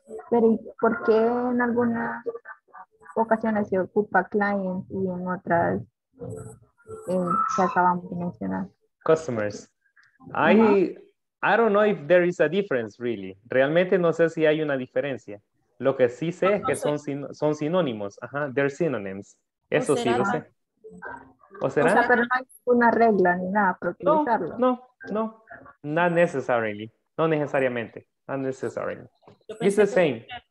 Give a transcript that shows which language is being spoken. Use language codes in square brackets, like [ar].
[es] Pero ¿por qué en algunas ocasiones se ocupa clients y en otras que acabamos de mencionar? [en] Customers. I don't know if there is a difference, really. [es] Realmente no sé si hay una diferencia. Lo que sí sé es que son sinónimos. Ajá, [en] they're synonyms. [es] Eso sí lo sé. ¿O será? O sea, pero no hay una regla ni nada para utilizarlo. [en] No. Not necessarily. [es] No necesariamente. [en] Not necessarily. It's the same.